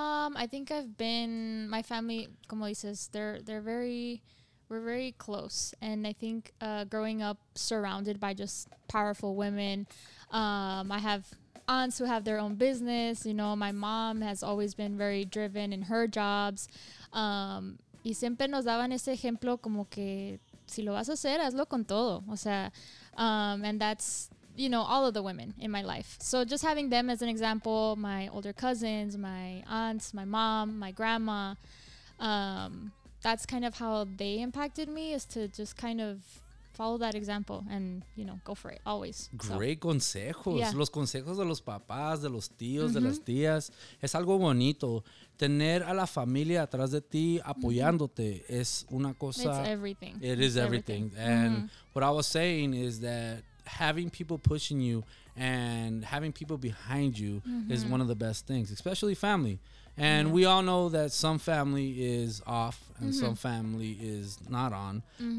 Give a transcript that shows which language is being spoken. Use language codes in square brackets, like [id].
[en] I think I've been, my family, [es] como dices, [en] we're very close. And I think, growing up surrounded by just powerful women, I have aunts who have their own business. You know, my mom has always been very driven in her jobs. [es] Y siempre nos daban ese ejemplo como que, si lo vas a hacer, hazlo con todo. [en] O sea, and that's, you know, all of the women in my life. So just having them as an example, my older cousins, my aunts, my mom, my grandma, that's kind of how they impacted me, is to just kind of follow that example and, you know, go for it always. Great so. Consejos. Yeah. [es] Los consejos de los papás, de los tíos, mm-hmm, de las tías. Es algo bonito. Tener a la familia atrás de ti apoyándote, mm-hmm, es una cosa. [en] It's everything. It is everything. And, mm-hmm, what I was saying is that having people pushing you and having people behind you, mm-hmm, is one of the best things, especially family. And, yeah, we all know that some family is off and, mm-hmm, some family is not on. Mm-hmm.